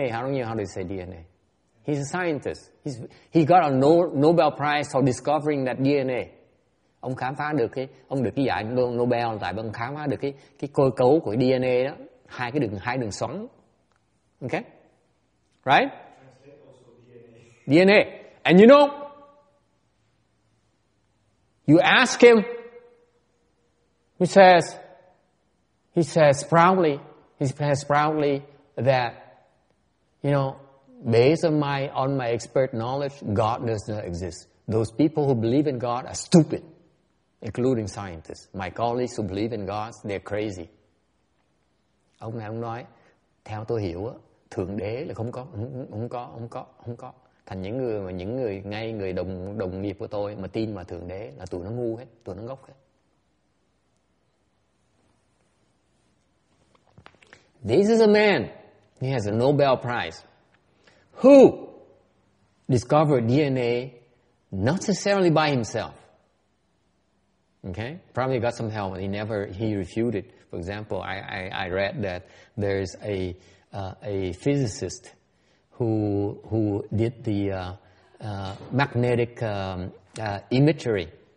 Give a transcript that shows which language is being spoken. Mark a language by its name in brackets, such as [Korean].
[English] How do you say DNA? He's a scientist. He got a Nobel Prize for discovering that DNA. [Vietnamese] ông khám phá được cái, ông được cái giải Nobel tại ông khám phá được cái cơ cấu của DNA đó, hai đường xoắn. [English] Ok, right? DNA. And you know, you ask him, he says proudly that, you know, based on my expert knowledge, God does not exist. Those people who believe in God are stupid, including scientists. My colleagues who believe in God, they're crazy. [Vietnamese] Ông này ông nói, theo tôi hiểu á, Thượng Đế là không có. Thành những người ngay người đồng nghiệp của tôi mà tin vào Thượng Đế là tụi nó ngu hết, tụi nó ngốc hết. [English] This is a man, he has a Nobel Prize, who discovered DNA not necessarily by himself. Okay? Probably got some help, but he refuted. For example, I read that there is a physicist who did the magnetic imagery.